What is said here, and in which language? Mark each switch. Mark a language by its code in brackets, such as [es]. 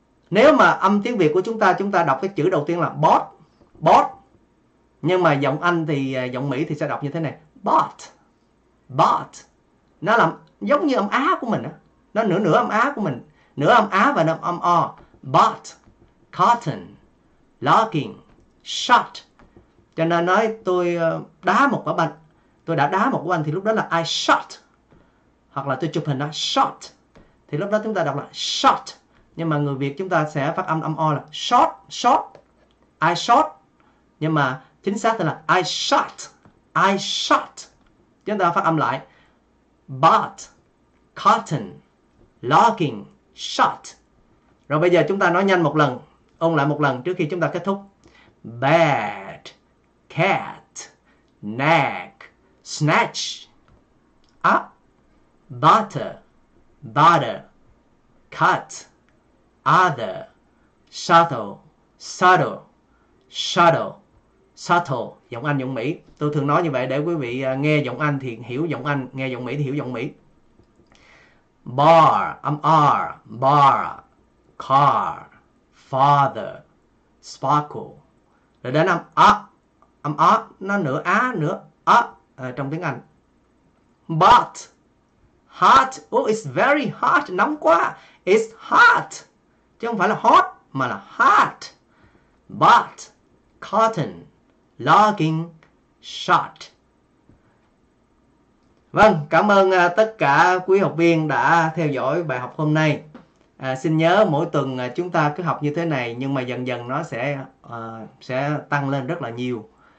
[vi] Nếu mà âm tiếng Việt của chúng ta đọc cái chữ đầu tiên là bot, bot. Nhưng mà giọng Anh thì giọng Mỹ thì sẽ đọc như thế này, bot, bot. Nó làm giống như âm á của mình á, nó nửa nửa âm á của mình, nửa âm á và nửa âm o. [en] Bot, cotton, locking, shot. [vi] Cho nên nói tôi đá một quả banh, tôi đã đá một quả banh thì lúc đó là [en] I shot. [vi] Hoặc là tôi chụp hình đó, shot. Thì lúc đó chúng ta đọc là shot. Nhưng mà người Việt chúng ta sẽ phát âm âm o là shot, shot, [en] I shot. [vi] Nhưng mà chính xác thì là [en] I shot, I shot. [vi] Chúng ta phát âm lại. [en] Bot, cotton, locking, shot. [vi] Rồi bây giờ chúng ta nói nhanh một lần, ôn lại một lần trước khi chúng ta kết thúc. [en] Bad, cat, nag, snatch, up, butter, butter, cut, other, shuttle, shuttle, shuttle, shuttle. [vi] Giọng Anh, giọng Mỹ. Tôi thường nói như vậy để quý vị nghe giọng Anh thì hiểu giọng Anh, nghe giọng Mỹ thì hiểu giọng Mỹ. [en] Bar, [vi] âm R, [en] bar, car, father, sparkle. [vi] Rồi đến âm A, nó nửa á, nửa A trong tiếng Anh. [en] But, hot, oh, it's very hot, [vi] nóng quá, [en] it's hot. [vi] Chứ không phải là hot, mà là hot. [en] But, cotton, logging, shot. [vi] Vâng, cảm ơn tất cả quý học viên đã theo dõi bài học hôm nay. Xin nhớ mỗi tuần chúng ta cứ học như thế này, nhưng mà dần dần nó sẽ tăng lên rất là nhiều.